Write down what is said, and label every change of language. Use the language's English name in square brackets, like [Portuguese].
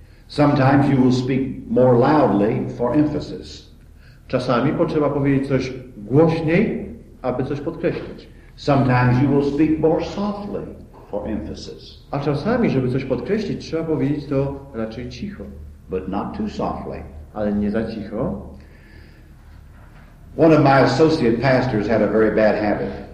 [English] Sometimes you will speak more loudly for emphasis. [Polish] Czasami potrzeba powiedzieć coś głośniej, aby coś podkreślić. [English] Sometimes you will speak more softly for emphasis. [Polish] A czasami, żeby coś podkreślić, trzeba powiedzieć to raczej cicho. [English] But not too softly. [Polish] Ale nie za cicho. [English] One of my associate pastors had a very bad habit.